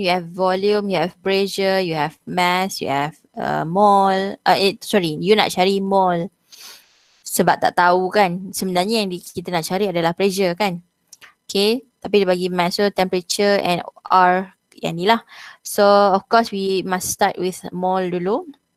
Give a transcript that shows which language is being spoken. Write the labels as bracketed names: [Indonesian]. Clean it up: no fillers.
[English] You have volume, you have pressure, you have mass, you have mole. [Malay] You nak cari mole. Sebab tak tahu kan. Sebenarnya yang kita nak cari adalah pressure kan. Okay, tapi dia bagi mass. So, temperature and R. Yang ni lah. [English] So, of course, we must start with mole dulu.